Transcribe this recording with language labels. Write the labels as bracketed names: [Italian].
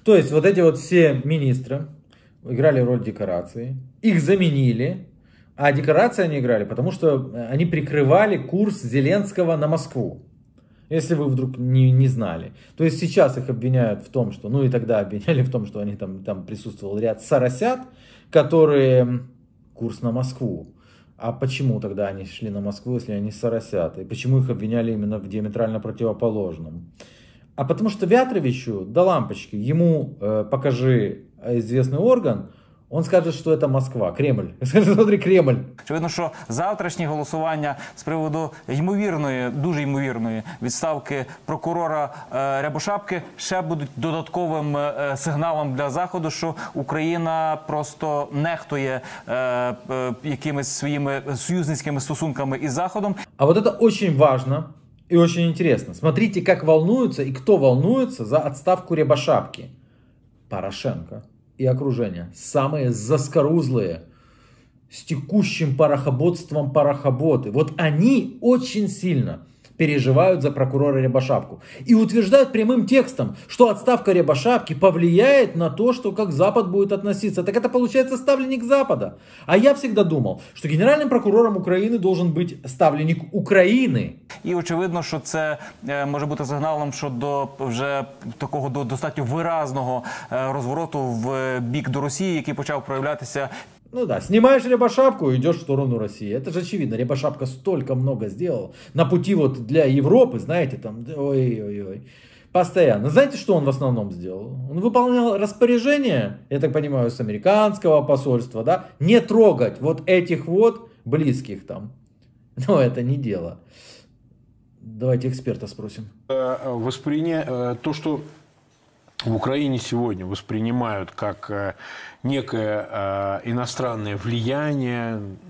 [Ukrainian] Тобто, [Russian] вот эти вот все [Ukrainian] міністри играли роль декорації, їх замінили. [Russian] А декорации они играли, потому что они прикрывали курс Зеленского на Москву. Если вы вдруг не знали. То есть сейчас их обвиняют в том, что... Ну и тогда обвиняли в том, что они там присутствовал ряд соросят, которые... Курс на Москву. А почему тогда они шли на Москву, если они соросяты? И почему их обвиняли именно в диаметрально противоположном? А потому что Вятровичу, да лампочки, ему покажи известный орган... [Ukrainian] Он скаже, що це Москва, Кремль. Скаже, [Russian] смотри, [Ukrainian] Кремль. Очевидно, що завтрашнє голосування з приводу ймовірної, дуже ймовірної відставки прокурора Рябошапки ще будуть додатковим сигналом для Заходу, що Україна просто нехтує якимись своїми союзницькими стосунками із Заходом. А от це дуже важливо і дуже цікаво. [Russian] Смотрите, [Ukrainian] як хвилюються і хто хвилюється за відставку Рябошапки. [Russian] Порошенко. И окружение. Самые заскорузлые, с текущим парохоботством парохоботы. Вот они очень сильно переживают за прокурора Рябошапку. И утверждают прямым текстом, что отставка Рябошапки повлияет на то, что как Запад будет относиться. Так это получается ставленник Запада. А я всегда думал, что генеральным прокурором Украины должен быть ставленник Украины. [Ukrainian] І очевидно, що це може бути сигналом щодо вже такого достатньо виразного розвороту в бік до Росії, який почав проявлятися. Ну да, знімаєш Рябошапку і йдеш в сторону Росії. Це ж очевидно, Рябошапка стільки багато зробив на пути вот для Європи, знаєте, там, ой-ой-ой, постійно. Знаєте, що він в основному зробив? Він виконував розпорядження, я так розумію, з американського посольства, да? Не трогати [Russian] вот этих вот [Ukrainian] близьких там. Ну, це не діло. [Russian] Давайте эксперта спросим. То, что в Украине сегодня воспринимают как некое иностранное влияние,